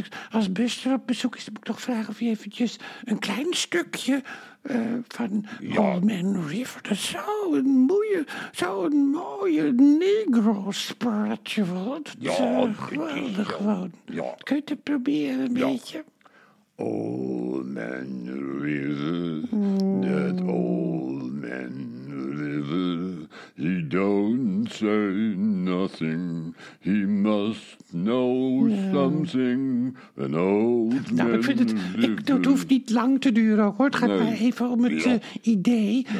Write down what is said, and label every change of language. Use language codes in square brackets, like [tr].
[nl] Als Buster op bezoek is, moet ik toch vragen of je eventjes een klein stukje van Old Man River. Dat is zo'n mooie negro spratje. Geweldig gewoon. Ja. Kun je het proberen een beetje? [en] Old Man River, that Old Man River, he don't say nothing, he must know something, an old man [nl] ik vind het, dat hoeft niet lang te duren, hoor. Het gaat maar even om het idee.